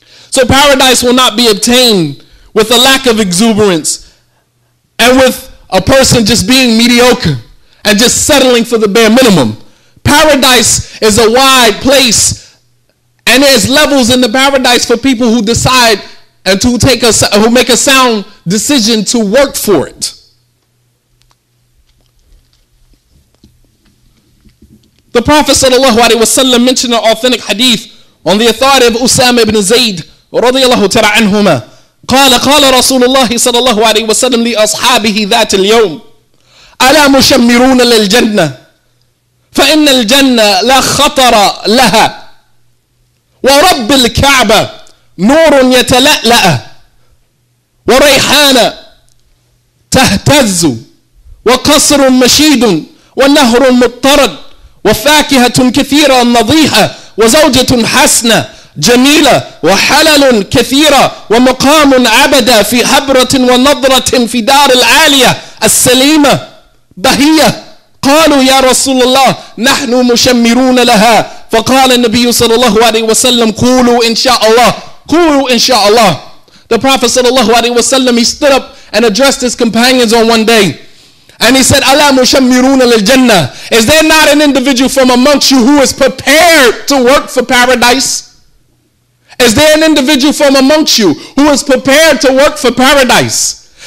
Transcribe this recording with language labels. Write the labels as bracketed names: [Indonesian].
[English] So paradise will not be obtained with a lack of exuberance and with a person just being mediocre and just settling for the bare minimum. Paradise is a wide place, and there's levels in the paradise for people who decide and who make a sound decision to work for it. The Prophet sallallahu alaihi wasallam mentioned an authentic hadith on the authority of Usama ibn Zayd [Arabic] رضي الله تعالى عنهما قال قال رسول الله صلى الله عليه وسلم لأصحابه ذات اليوم ألا مشمرون للجنة فإن الجنة لا خطر لها ورب الكعبة نور يتلألأ وريحانة تهتز وقصر مشيد ونهر مضطرد وفاكهة كثيرة نظيفة وزوجة حسنة جميلة وحلل كثيرة ومقام عبدا في حبرة ونظرة في دار العالية السليمة بهية. قالوا يا رسول الله نحن مشمرون لها. فقال النبي صلى الله عليه وسلم قولوا إن شاء الله قولوا إن شاء الله. [English] The Prophet [Arabic] صلى الله عليه وسلم, [English] he stood up and addressed his companions on one day, and he said, [Arabic] أَلَا مُشَمِّرُونَ لِلْجَنَّةِ. [English] Is there not an individual from amongst you who is prepared to work for paradise? Is there an individual from amongst you who is prepared to work for paradise?